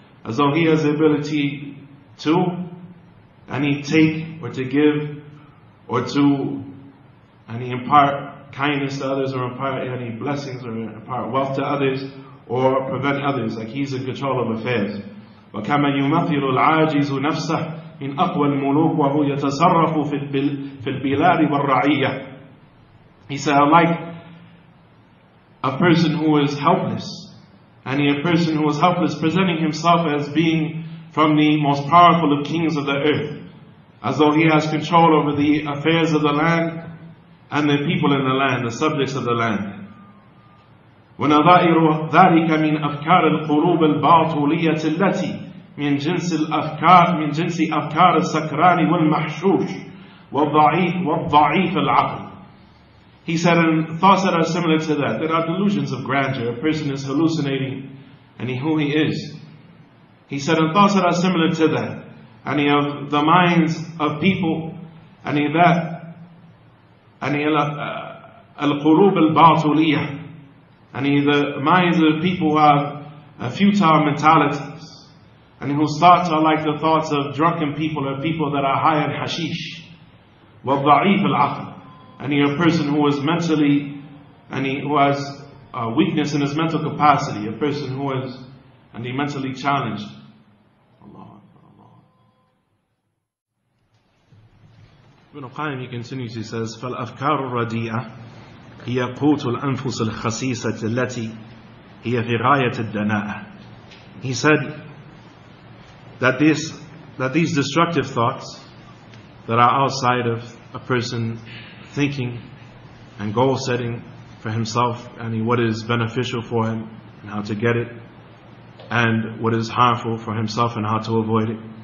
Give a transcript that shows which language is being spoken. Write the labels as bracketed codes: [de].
[en] As though he has the ability to, and he take, or to give, or to, and he impart kindness to others, or impart any blessings, or impart wealth to others, or prevent others, like he's in control of affairs. [ar] وَكَمَا يُمَثِلُ الْعَاجِزُ نَفْسَهُ مِنْ أَقْوَى الْمُلُوكِ وَهُوَ يَتَصَرَّفُ فِي الْبِلَادِ وَالرَّعِيَّةِ. [en] He said, like a person who is helpless. And a person who was helpless, presenting himself as being from the most powerful of kings of the earth, as though he has control over the affairs of the land and the people in the land, the subjects of the land. [ar] ونظائر ذلك من أفكار القلوب الباطلية التي من جنس الأفكار من جنس أفكار السكران والمحشوش والضعيف والضعيف العقل. [en] He said, and thoughts that are similar to that, that are delusions of grandeur, a person is hallucinating, and who he is. He said, and thoughts that are similar to that, and of the minds of people, and that, and [ar] al-qurub al-batuliyah, [en] and the minds of people who have a futile mentalities, and whose thoughts are like the thoughts of drunken people, or people that are high in hashish, [ar] wal-da'if al-aql. [en] And a person who is mentally, and who has a weakness in his mental capacity, a person who is, and he mentally challenged. Allah, Allah. Ibn Qayyim, he continues, he says, [ar] فَالْأَفْكَارُ الرَّدِيئَةِ هِيَ قُوتُ الْأَنْفُسِ الْخَسِيسَةِ الَّتِي هِيَ فِي غَايَةِ الدَّنَاءَةِ. [en] He said that these destructive thoughts that are outside of a person thinking and goal setting for himself, and what is beneficial for him and how to get it, and what is harmful for himself and how to avoid it.